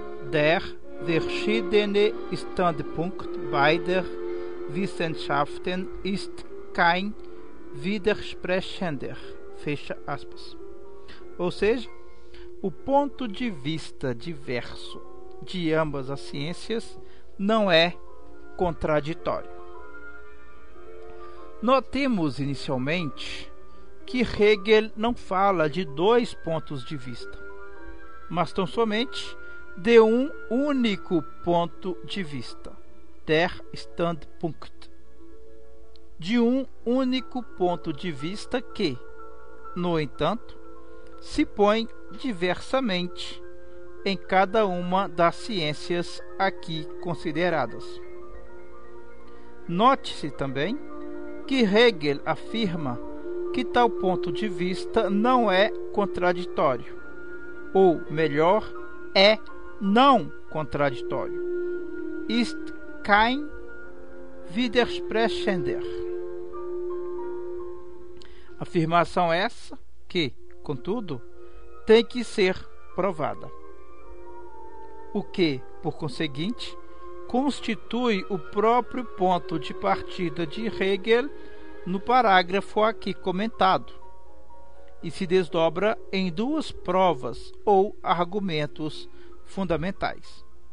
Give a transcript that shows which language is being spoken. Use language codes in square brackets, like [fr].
[de] Der verschiedene Standpunkt beider Wissenschaften ist kein widersprechender. [pt] Fecha aspas. Ou seja, o ponto de vista diverso de ambas as ciências não é contraditório. Notemos inicialmente que Hegel não fala de dois pontos de vista, mas tão somente de um único ponto de vista, der Standpunkt, de um único ponto de vista que, no entanto, se põe diversamente em cada uma das ciências aqui consideradas. Note-se também que Hegel afirma que tal ponto de vista não é contraditório, ou melhor, é não contraditório. [de] Ist kein widersprechender. [pt] Afirmação essa que, contudo, tem que ser provada. O que, por conseguinte, constitui o próprio ponto de partida de Hegel no parágrafo aqui comentado, e se desdobra em duas provas ou argumentos fundamentais.